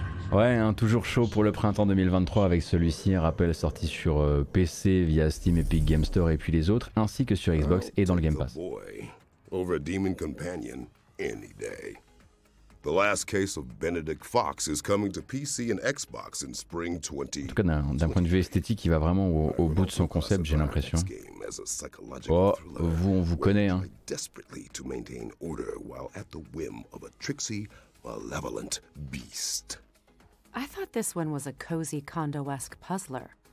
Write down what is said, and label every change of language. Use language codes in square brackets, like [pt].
[fr] Ouais, hein, toujours chaud pour le printemps 2023 avec celui-ci, un rappel sorti sur PC via Steam, Epic Game Store et puis les autres, ainsi que sur Xbox et dans le Game Pass. [en] Over a demon companion any day. The last case of Benedict Fox is coming to PC and Xbox in spring 20. [fr] En tout cas, d'un point de vue esthétique, il va vraiment au bout de son concept, j'ai l'impression. Oh, vous, on vous connaît, hein. [en] Desperately to maintain order while at the whim of a tricksy, malevolent beast. I thought this one was a cozy condo-esque puzzler.